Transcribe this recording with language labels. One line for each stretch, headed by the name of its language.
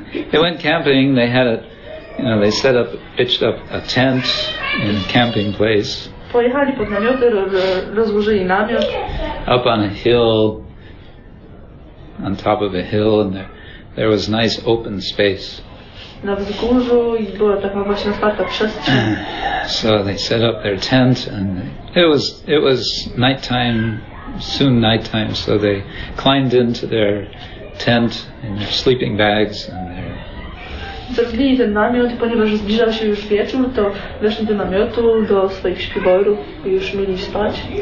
English: They went camping, they had a, you know, they set up, pitched up a tent in a camping place.
Polish: Pojechali pod namioty, rozłożyli namiot.
English: Up on a hill, on top of a hill, and there was nice open space.
Polish: Na wzgórzu i była taka właśnie otwarta przestrzeń.
English: So they set up their tent and it was nighttime, soon nighttime, so they climbed into their tent in their sleeping bags and their
Polish: zrobili ten namiot, ponieważ zbliżał się już wieczór, to weszli do namiotu, do swoich śpiworów i już mieli spać.